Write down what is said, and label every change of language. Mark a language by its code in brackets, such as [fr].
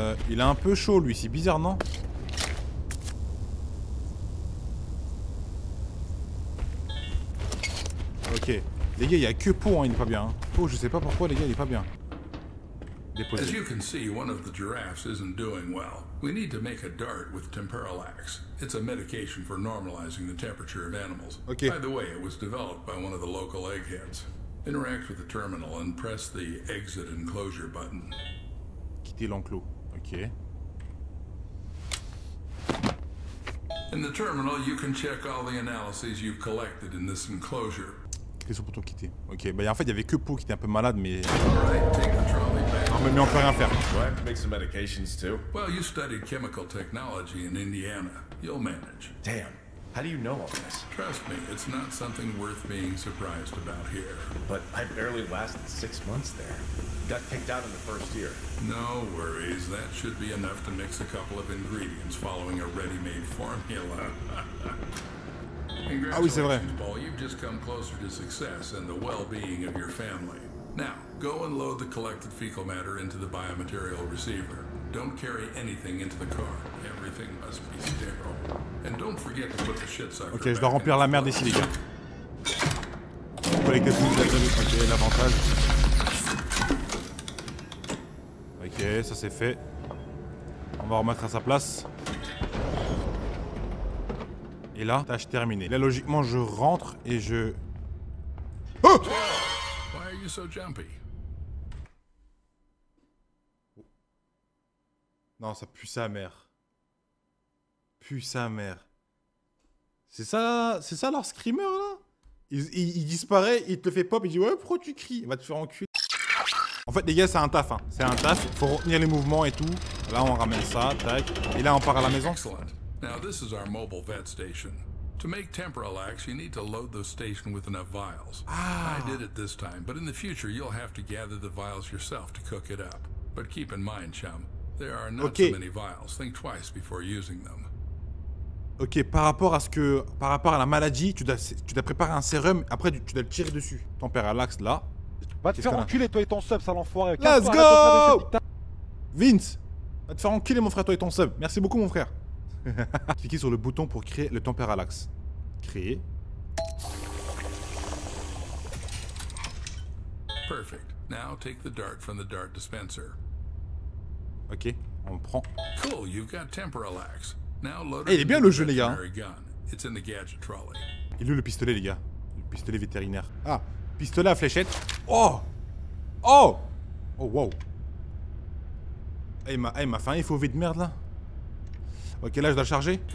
[fr] Il est un peu chaud lui, c'est bizarre non? Ok. Les gars, il y a que Po, hein, il est pas bien. Po, je sais pas pourquoi les gars, il est pas bien. Déposé. [en] As you can see, one of the giraffes isn't doing well. We need to make a dart with Temperalax. It's a medication for normalizing the temperature of animals. Okay. By the way, it was developed by one of the local eggheads. Interact with the terminal and press the exit enclosure button. [fr] Quitter l'enclos. [en] Okay. In the terminal, you can check all the analyses you've collected in this enclosure. [fr] Qu'est-ce qu'on peut quitter? Ok, bah en fait il y avait que Po qui était un peu malade, mais... Non, mais on peut rien faire. [en] Make some medications too. Well, you studied chemical technology in Indiana. You'll manage. Damn. How do you know all this? Trust me, it's not something worth being surprised about here. But I barely lasted 6 months there. Got picked out in the first year. No worries. That should be enough to mix a couple of ingredients following a ready-made formula. [fr] Ah oui, c'est vrai. [en] Paul, you've just come closer to success and the well-being of your family. Now, go and load the collected fecal matter into the biomaterial receiver. Don't carry anything into the car. Everything must be sterile. And don't forget to put the shit sucker. [fr] Ok, je dois remplir la merde ici, les gars. Collecter tout ça, ok, l'avantage. Ok, ça c'est fait. On va remettre à sa place. Et là, tâche terminée. Là, logiquement, je rentre et je... [en] Oh! Why are you so jumpy? [fr] Non, ça pue sa mère. Pue sa mère. C'est ça leur screamer, là? Il disparaît, il te fait pop, il dit « Ouais, pourquoi tu cries ?» Il va te faire enculer. En fait, les gars, c'est un taf, hein. C'est un taf. Faut retenir les mouvements et tout. Là, on ramène ça, tac. Et là, on part à la maison. Excellent. [en] Now, this is our mobile vet station. To make Temporalax, you need to load the station with enough vials. Ah. I did it this time, but in the future, you'll have to gather the vials yourself to cook it up. But keep in mind, chum, there are not so many vials. Think twice before using them. [fr] Ok, par rapport à la maladie, tu dois préparer un sérum, après tu dois le tirer dessus. Temporalax, là. Va te faire enculer, toi et ton sub, sale enfoiré. [en] Let's go! [fr] Vince, va te faire enculer, mon frère, toi et ton sub. Merci beaucoup, mon frère. Cliquez sur le bouton pour créer le Temporalax. Créer. [en] Perfect. Now take the dart from the dart dispenser. [fr] Ok, on prend. [en] Cool, you've got Temporalax. [fr] Hey, il est bien le jeu, les gars. Il est le pistolet, les gars. Le pistolet vétérinaire. Ah, pistolet à fléchette. Oh! Oh! Oh, wow. Hey, ma faim, il faut vite merde là. Ok, là, je dois le charger.